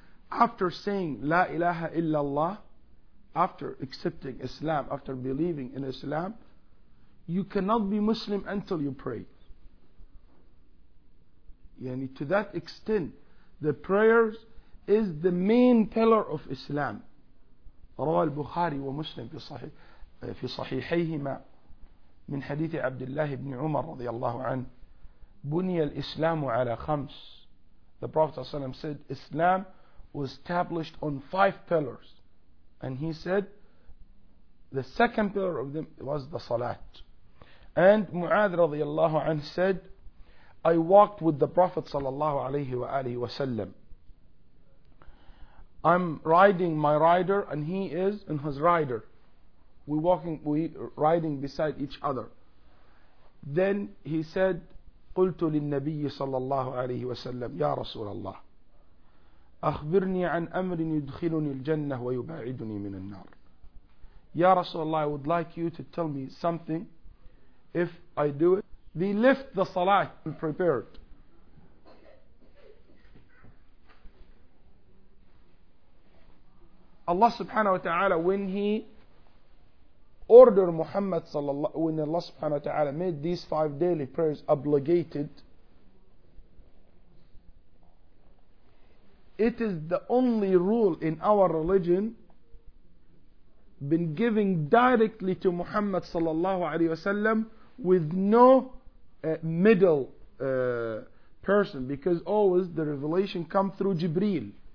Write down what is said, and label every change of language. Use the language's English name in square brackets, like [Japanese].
[English] After saying La ilaha illallah, after accepting Islam, after believing in Islam, you cannot be Muslim until you pray. Yani, to that extent, the prayers is the main pillar of Islam. [Arabic] رواه البخاري ومسلم في صحيحيهما من حديث عبد الله بن عمر رضي الله عنه بني الإسلام على خمس. [English] The Prophet ﷺ said Islam was established on five pillars, and he said the second pillar of them was the Salat. And Mu'adh رضي الله عنه said, I walked with the Prophet sallallahu alayhi wa alihi wa sallam. I'm riding my rider and he is in his rider. We're riding beside each other. Then he said, [Arabic] قُلْتُ لِلنَّبِيِّ صَلَّى اللَّهُ عَلَيْهِ وَسَلَّمُ يَا رَسُولَ اللَّهِ أَخْبِرْنِي عَنْ أَمْرٍ يُدْخِلُنِي الْجَنَّةِ وَيُبَعِدُنِي مِنَ النَّارِ يَا رَسُولَ اللَّهِ, [English] I would like you to tell me something. If I do it, they left the salat and prepared. Allah subhanahu wa ta'ala, when he order Muhammad sallallahu, when Allah subhanahu wa ta'ala made these five daily prayers obligated, it is the only rule in our religion been giving directly to Muhammad sallallahu alayhi wa sallam with no middle person, because always the revelation come through Jibreel.